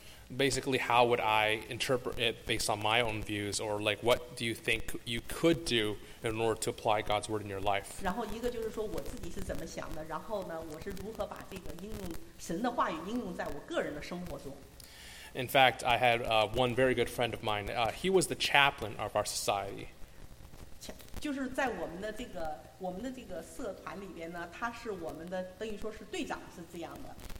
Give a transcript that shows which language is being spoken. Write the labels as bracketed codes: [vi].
[en] Basically, how would I interpret it based on my own views, or like, what do you think you could do in order to apply God's word in your life? [zh] 然后一个就是说我自己是怎么想的，然后呢，我是如何把这个应用神的话语应用在我个人的生活中。 [en] In fact, I had one very good friend of mine. He was the chaplain of our society. [zh] 就是在我们的这个社团里边呢，他是我们的等于说是队长，是这样的。